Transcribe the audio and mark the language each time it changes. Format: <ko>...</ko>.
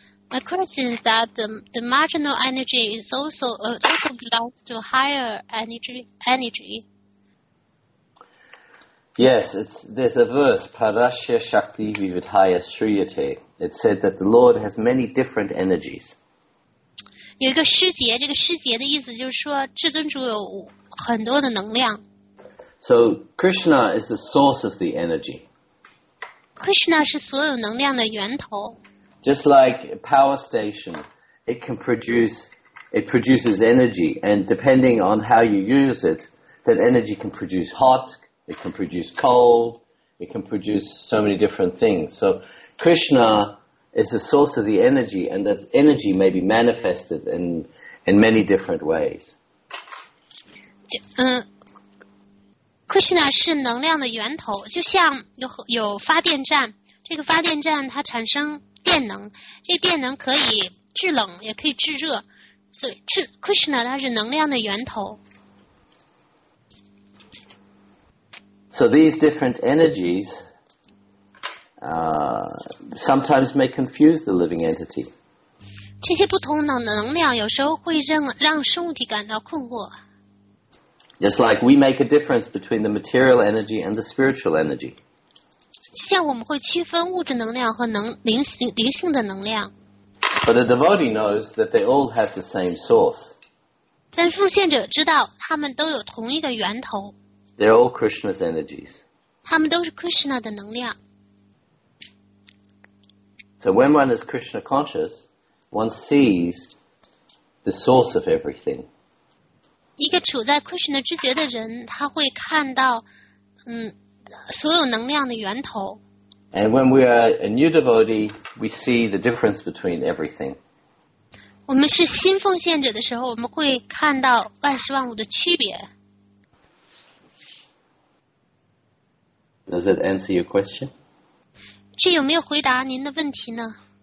<en>My question is that the marginal energy is also belongs to higher energy. Yes, there's a verse,</en> <sa>Parashya Shakti Vividhaya Sriyate.</sa> <en>It said that the Lord has many different energies.</en> <zh>有一个师节，这个师节的意思就是说，至尊主有很多的能量。</zh> <en>So Krishna is the source of the energy.</en> <zh>Krishna 是所有能量的源头。</zh> <en>Just like a power station, it produces energy, and depending on how you use it, that energy can produce hot. It can produce cold, it can produce so many different things. So Krishna is the source of the energy, and that energy may be manifested in many different ways.</en> <zh>Krishna 是能量的源头，就像 有发电站，这个发电站它产生电能，这电能可以制冷也可以制热，所以Krishna 它是能量的源头。</zh> <en>So these different energies sometimes may confuse the living entity.</en> <zh>这些不同的能量有时候会让生物体感到困惑。</zh> <en>Just like we make a difference between the material energy and the spiritual energy.</en> <zh>就像我们会区分物质能量和灵性的能量。</zh> <en>But a devotee knows that they all have the same source.</en> <zh>但奉献者知道他们都有同一个源头。</zh> <en>They're all Krishna's energies.</en> <zh>他们都是 Krishna 的能量。</zh> <en>So when one is Krishna conscious, one sees the source of everything.</en> <zh>一个处在 Krishna 知觉的人，他会看到，所有能量的源头。</zh> <en>And when we are a new devotee, we see the difference between everything.</en> <zh>我们是新奉献者的时候，我们会看到万事万物的区别。</zh> <en>Does that answer your question?</en> <zh>这有没有回答您的问题呢？</zh>